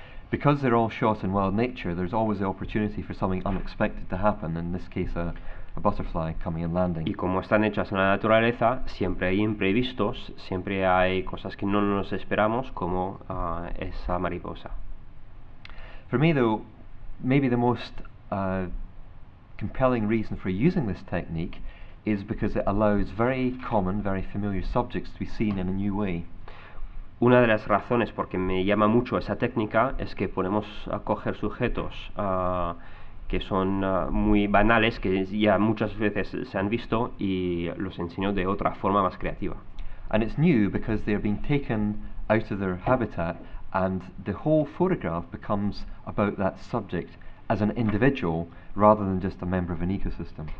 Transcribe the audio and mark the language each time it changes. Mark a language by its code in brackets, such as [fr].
[en] Because they're all shot in wild nature, there's always the opportunity for something unexpected to happen, in this case a butterfly coming and landing. [es] Y como están hechas en la naturaleza, siempre hay imprevistos, siempre hay cosas que no nos esperamos, como esa mariposa. [en] For me though, maybe the most compelling reason for using this technique is because it allows very common, very familiar subjects to be seen in a new way. [es] Una de las razones por que me llama mucho esa técnica es que podemos coger sujetos que son muy banales, que ya muchas veces se han visto, y los enseño de otra forma más creativa. [en] And it's new because they're being taken out of their habitat, and the whole photograph becomes about that subject as an individual rather than just a member of an ecosystem.